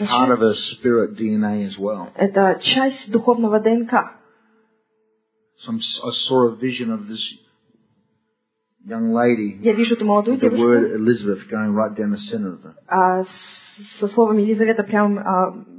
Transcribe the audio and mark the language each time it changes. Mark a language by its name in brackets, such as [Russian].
[English] It's actually part of her spirit DNA as well. [Russian] Это часть духовного ДНК. [English] So I saw a vision of this young lady, with the word Elizabeth going right down the center of her. [Russian] Со словом Елизавета прямо.